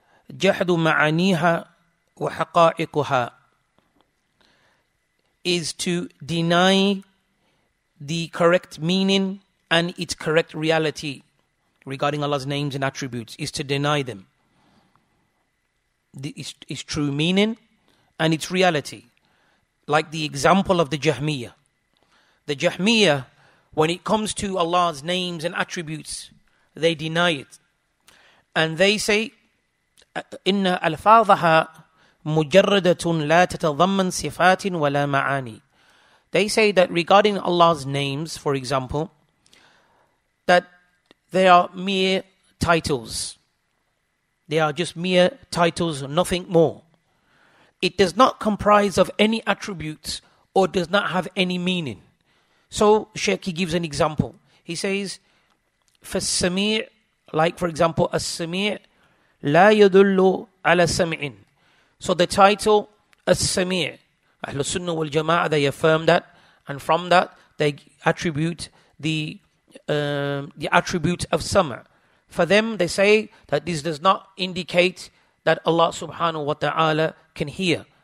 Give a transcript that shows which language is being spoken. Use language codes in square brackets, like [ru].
[ar] جَحْدُ مَعَانِيهَا وَحَقَائِقُهَا [en] is to deny the correct meaning and its correct reality regarding Allah's names and attributes, is to deny them. Its true meaning and its reality. Like the example of the Jahmiyyah. The Jahmiyyah, when it comes to Allah's names and attributes, they deny it. And they say, [ar] إِنَّ أَلْفَاظَهَا مُجَرَّدَةٌ لَا تَتَضَمَّنْ صِفَاتٍ وَلَا مَعَانِي. [en] They say that regarding Allah's names, for example, that they are mere titles. They are just mere titles, nothing more. It does not comprise of any attributes or does not have any meaning. So, Sheikh, he gives an example. He says, [ar] فَالسَّمِيعُ, [en] like for example, [ar] السَّمِيعُ لَا يَدُلُّ عَلَى السَّمِعِينَ. [en] So the title, السَّمِيعُ, Ahlul Sunnah wal Jama'ah, they affirm that, and from that, they attribute the attribute of Sam'a. For them, they say that this does not indicate that Allah subhanahu wa ta'ala can hear.